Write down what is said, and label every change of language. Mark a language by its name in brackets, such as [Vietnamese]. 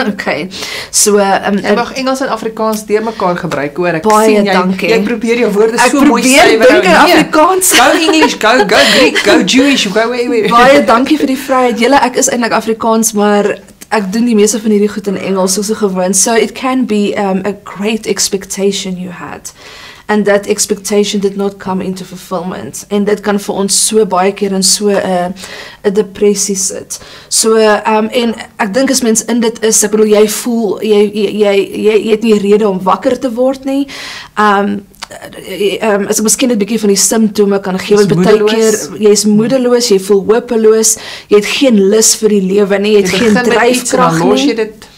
[English] Okay. So, [Afrikaans] jy mag Engels en Afrikaans deur mekaar gebruik, hoor. Ek baie sien jy, dankie. Jy probeer jou woorde ek so mooi sê. Ek probeer dink in Afrikaans. [English] Go English, go Greek, go Jewish, go wherever. [Afrikaans] Baie dankie vir die vryheid. Julle, ek is eintlik Afrikaans, maar ek doen die meeste van hierdie goed in Engels, soos gewoon. [English] So it can be a great expectation you had, and that expectation did not come into fulfillment. [Afrikaans] En dit kan vir ons so baie keer in so 'n depressie sit. So, en ek dink as mens in dit is, ek bedoel, jy voel, jy het nie rede om wakker te word nie. As ek miskien het bykie van die symptome kan gee, want baie keer, jy is moedeloos, jy voel hopeloos, jy het geen lus vir die lewe nie, jy het geen drijfkracht nie.